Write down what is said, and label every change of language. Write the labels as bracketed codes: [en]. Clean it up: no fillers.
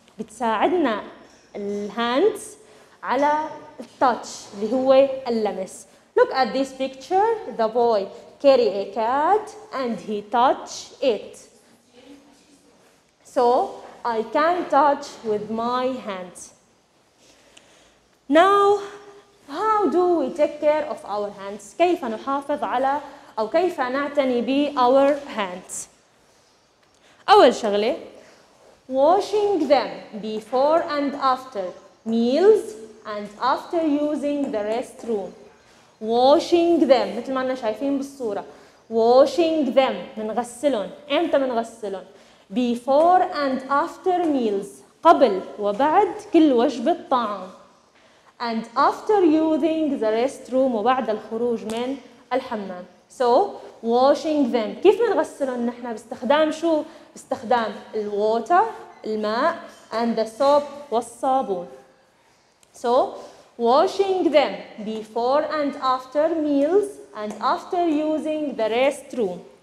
[ar] بتساعدنا الهاندز على التاتش اللي هو اللمس. [en] Look at this picture. The boy carry a cat and he touch it. So I can touch with my hands. Now, how do we take care of our hands? [ar] كيف نحافظ على أو كيف نعتني بـ [en] our hands? [ar] أول شغلة, [en] washing them before and after meals and after using the restroom. Washing them, [ar] مثل ما أنا شايفين بالصورة. [en] Washing them, [ar] منغسلهم. إمتى منغسلهم؟ [en] Before and after meals, [ar] قبل وبعد كل وجبة طعام. [en] And after using the restroom, [ar] وبعد الخروج من الحمام. [en] So, washing them. [ar] كيف منغسلهم نحن؟ باستخدام شو؟ باستخدام الwater, الماء, [en] and the soap, [ar] والصابون. [en] So, washing them before and after meals, and after using the restroom.